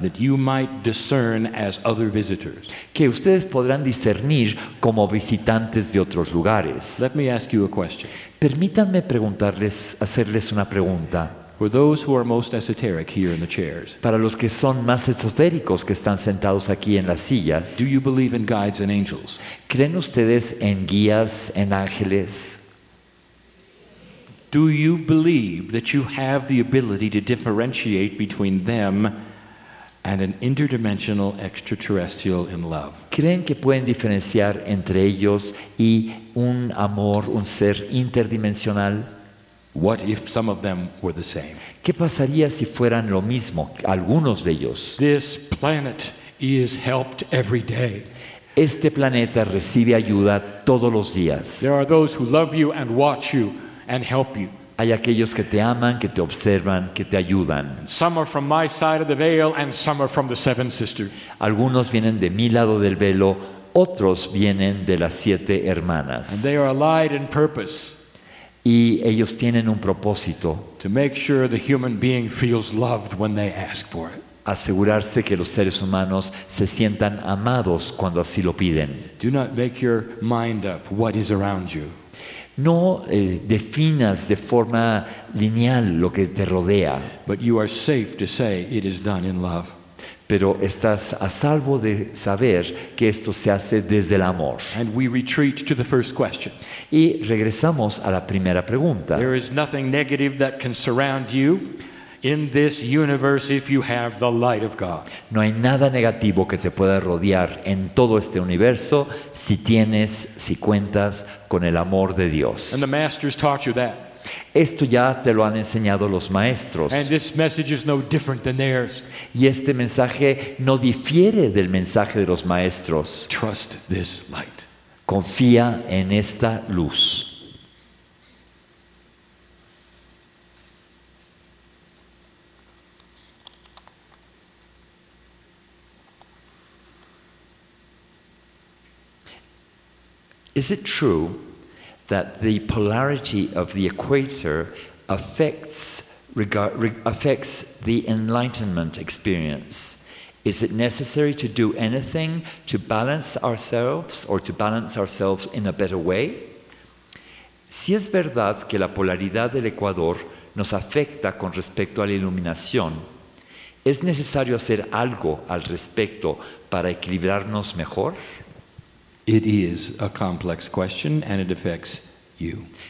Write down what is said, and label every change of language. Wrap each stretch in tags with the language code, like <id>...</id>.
<en>That you might discern as other visitors.</en> <es>Que ustedes podrán discernir como visitantes de otros lugares.</es> <en>Let me ask you a question.</en> <es>Permítanme preguntarles, hacerles una pregunta.</es> <en>For those who are most esoteric here in the chairs.</en> <es>Para los que son más esotéricos que están sentados aquí en las sillas.</es> <en>Do you believe in guides and angels?</en> <es>¿Creen ustedes en guías, en ángeles?</es> <en>Do you believe that you have the ability to differentiate between them and an interdimensional extraterrestrial in love?</en> <es>¿Creen que pueden diferenciar entre ellos y un amor, un ser interdimensional?</es> <en>What if some of them were the same?</en> <es>¿Qué pasaría si fueran lo mismo algunos de ellos?</es> <en>This planet is helped every day.</en> <es>Este planeta recibe ayuda todos los días.</es> <en>There are those who love you and watch you and help you.</en> <es>Hay aquellos que te aman, que te observan, que te ayudan.</es> <en>Some are from my side of the veil and some are from the seven sisters.</en> <es>Algunos vienen de mi lado del velo, otros vienen de las siete hermanas.</es> <en>And they are allied in purpose.</en> <es>Y ellos tienen un propósito.</es> <en>To make sure the human being feels loved when they ask for it.</en> <es>Asegurarse que los seres humanos se sientan amados cuando así lo piden.</es> <en>Do not make your mind up what is around you.</en> <es>No definas de forma lineal lo que te rodea.</es> <en>But you are safe to say it is done in love.</en> <es>Pero estás a salvo de saber que esto se hace desde el amor.</es> <en>And we retreat to the first question.</en> <es>Y regresamos a la primera pregunta.</es> <en>There is nothing negative that can surround you in this universe if you have the light of God.</en> <es>No hay nada negativo que te pueda rodear en todo este universo si tienes, si cuentas con el amor de Dios.</es> <en>And the masters taught you that.</en> <es>Esto ya te lo han enseñado los maestros.</es> <en>And this message is no different than theirs.</en> <es>Y este mensaje no difiere del mensaje de los maestros.</es> <en>Trust this light.</en> <es>Confía en esta luz.</es> <en>Is it true that the polarity of the equator affects the enlightenment experience? Is it necessary to do anything to balance ourselves or to balance ourselves in a better way?</en> <es>Si es verdad que la polaridad del ecuador nos afecta con respecto a la iluminación, ¿es necesario hacer algo al respecto para equilibrarnos mejor?</es> <en>It is a complex question and it affects you.</en>